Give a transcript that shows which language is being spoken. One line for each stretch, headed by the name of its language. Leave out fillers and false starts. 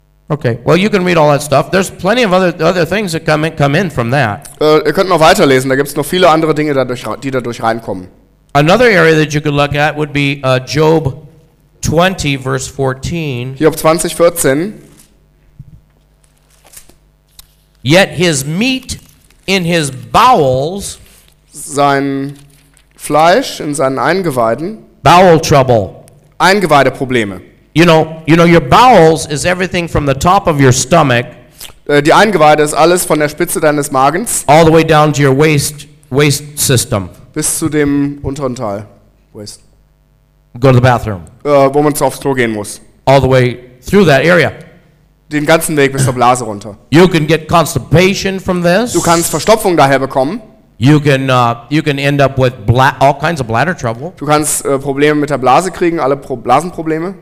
English: Okay. Well, you can read all that stuff. There's plenty of other things that come in from that.
German: Ihr könnt noch weiterlesen. Da gibt's noch viele andere Dinge, die dadurch reinkommen.
English: Another area that you could look at would be Job 20, verse 14.
German: Hiob 20, 14.
English: Yet his meat in his bowels.
German: Sein Fleisch in seinen Eingeweiden.
English: Bowel trouble.
German: Eingeweideprobleme.
English: You know, your bowels is everything from the top of your stomach.
German: Die Eingeweide ist alles von der Spitze deines Magens.
English: All the way down to your waist system.
German: Bis zu dem unteren Teil. Waist.
English: Go to the bathroom.
German: Wo man aufs Klo gehen muss.
English: All the way through that area.
German: Den ganzen Weg bis zur Blase runter.
English: You can get constipation from this.
German: Du kannst Verstopfung daher bekommen.
English: You can end up with all kinds of bladder trouble.
German: Du kannst Probleme mit der Blase kriegen, alle Blasenprobleme.